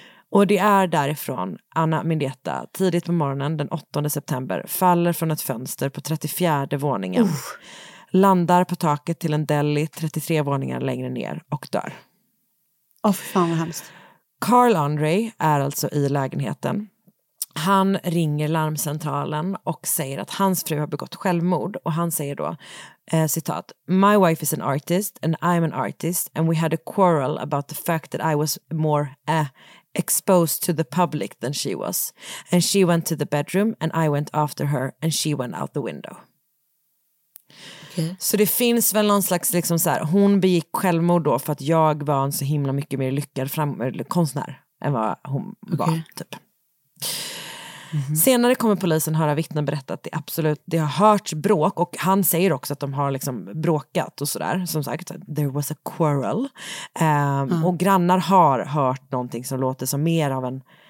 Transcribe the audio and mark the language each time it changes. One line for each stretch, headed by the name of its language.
Swedish: Och det är därifrån Anna Mendieta tidigt på morgonen den 8 september faller från ett fönster på 34 våningen, landar på taket till en deli 33 våningar längre ner och dör. Åh, för fan vad hemskt. Carl André är alltså i lägenheten. Han ringer larmcentralen och säger att hans fru har begått självmord. Och han säger då, citat,
English: "My wife is an artist and I'm an artist and we had a quarrel about the fact that I was more exposed to the public than she was. And she went to the bedroom and I went after her and she went out the window."
Swedish: Okay. Så det finns väl någon slags liksom så här, hon begick självmord då för att jag var en så himla mycket mer lyckad konstnär än vad hon var typ. Mm-hmm. Senare kommer polisen höra vittnen berätta att det har hört bråk, och han säger också att de har liksom bråkat och sådär, som sagt,
English: there was a quarrel.
Swedish: Och grannar har hört någonting som låter som mer av en